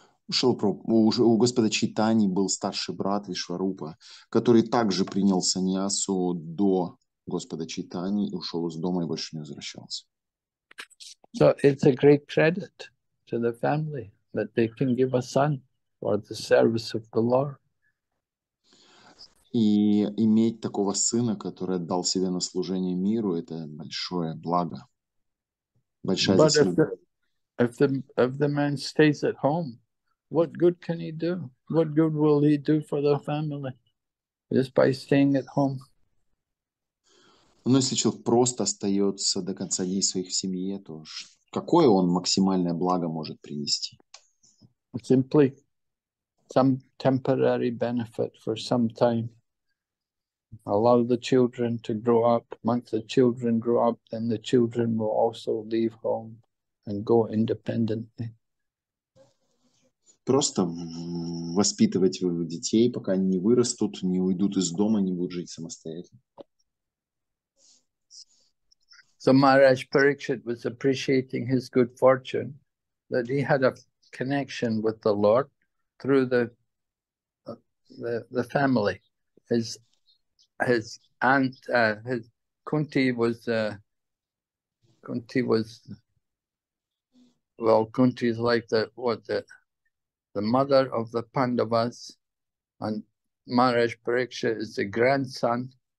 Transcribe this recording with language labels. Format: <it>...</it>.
<ru>У Господа Чайтаньи был старший брат Вишварупа, который также принял саньясу до Господа Чайтаньи, ушел из дома и больше не возвращался.</ru> <en>So it's a great credit to the family that they can give a son for the service of the Lord.</en> <ru>И иметь такого сына, который отдал себя на служение миру, это большое благо, большая</ru> <en>But</en> <ru>заслуга.</ru> <en>If the man stays at home, what good can he do? What good will he do for the family just by staying at home?</en> <ru>Но если человек просто остается до конца дней своих в семье, то какое он максимальное благо может принести?</ru> <en>Simply some temporary benefit for some time. Allow the children to grow up. Once the children grow up, then the children will also leave home and go independently.</en> <ru>Просто воспитывать детей, пока они не вырастут, не уйдут из дома, не будут жить самостоятельно.</ru> <en>So Maharaj Parikshit was appreciating his good fortune that he had a connection with the Lord through the family. His aunt, his Kunti is like the mother of the Pandavas, and Maharaj Pariksha is the grandson.</en>